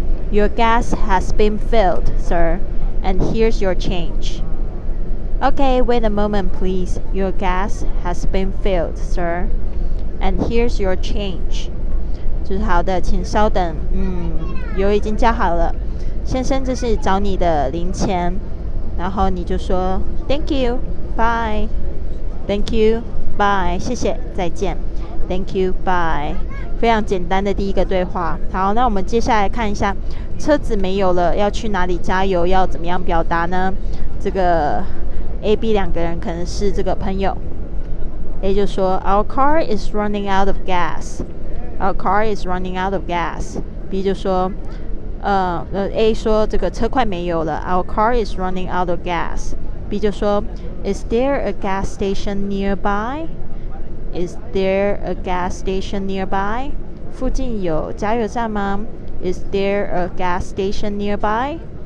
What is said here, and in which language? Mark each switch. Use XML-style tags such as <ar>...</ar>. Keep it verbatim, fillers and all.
<en>Your gas has been filled, sir, and here's your change. Okay, wait a moment, please. Your gas has been filled, sir, and here's your change.”</en> <zh>就是好的，请稍等。嗯，油已经加好了，先生，这是找你的零钱。然后你就说</zh> <en>：“Thank you, bye. Thank you, bye.</en> <zh>谢谢，再见。”</zh> <en>Thank you, bye.</en> <zh>非常简单的第一个对话。好，那我们接下来看一下，车子没有了，要去哪里加油？要怎么样表达呢？这个 A、B 两个人可能是这个朋友。 A 就说</zh> <en>，Our car is running out of gas. Our car is running out of gas.</en> <zh>B 就说，呃呃 ，A 说这个车快没有了。</zh> <en>Our car is running out of gas.</en> <zh>B 就说</zh> <en>，Is there a gas station nearby? Is there a gas station nearby?</en> <zh>附近有加油站吗</zh> <en>？Is there a gas station nearby?</en>